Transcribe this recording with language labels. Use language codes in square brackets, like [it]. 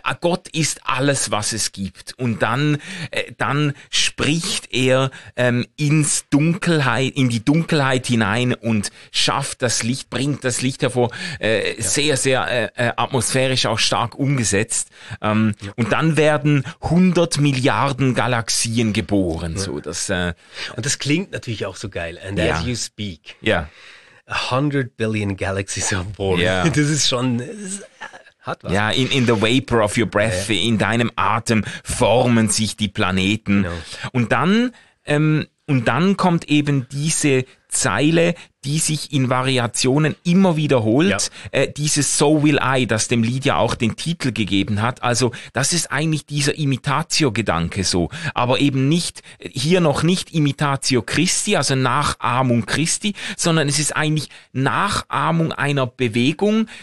[de] Gott ist alles, was es gibt. Und dann spricht er in die Dunkelheit hinein und schafft das Licht, bringt das Licht hervor. Sehr, sehr atmosphärisch auch stark umgesetzt. Und dann werden 100 Milliarden Galaxien geboren. So, und das klingt natürlich auch so geil. [en] And as you speak, 100 billion galaxies are born. Yeah. [de] Das ist schon, das hat was. Ja, [en] in the vapor of your breath, [de] in deinem Atem formen sich die Planeten. Genau. Und dann kommt eben diese Zeile, die sich in Variationen immer wiederholt, dieses So Will I, das dem Lied ja auch den Titel gegeben hat, also das ist eigentlich dieser Imitatio-Gedanke so, aber eben nicht, hier noch nicht Imitatio Christi, also Nachahmung Christi, sondern es ist eigentlich Nachahmung einer Bewegung,